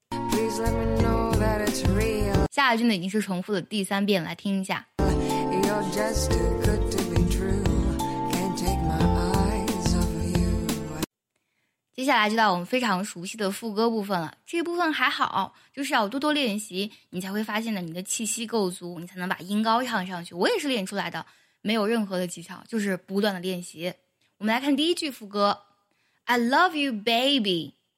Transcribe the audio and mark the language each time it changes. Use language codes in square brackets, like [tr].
[en] Please let me know that it's real. [zh] 下一句呢已经是重复了第三遍，来听一下。 [en] You're just too good to be true. Can't take my eyes off you. [zh] 接下来就到我们非常熟悉的副歌部分了。这部分还好，就是要多多练习，你才会发现呢，你的气息够足，你才能把音高唱上去。我也是练出来的，没有任何的技巧，就是不断的练习。我们来看第一句副歌 ， [en] I love you, baby.